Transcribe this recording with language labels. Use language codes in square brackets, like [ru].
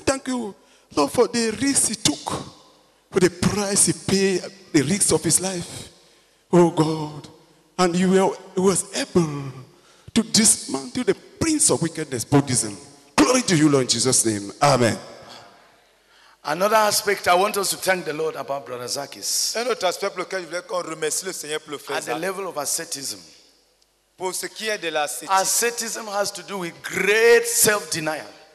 [en] Thank you, Lord, for the risk he took, for the price he paid, the risks of his life, oh God, and he was able to dismantle the prince of wickedness, Buddhism. Glory to you, Lord, in Jesus' name. Amen. Another aspect I want us to thank the Lord about, Brother Zakis. [fr] Un autre aspect pour lequel je voudrais qu'on remercie le Seigneur pour le frère. [en] At the level of asceticism. [fr] Pour ce qui est de l'ascétisme. [en] Asceticism has to do with great self-denial.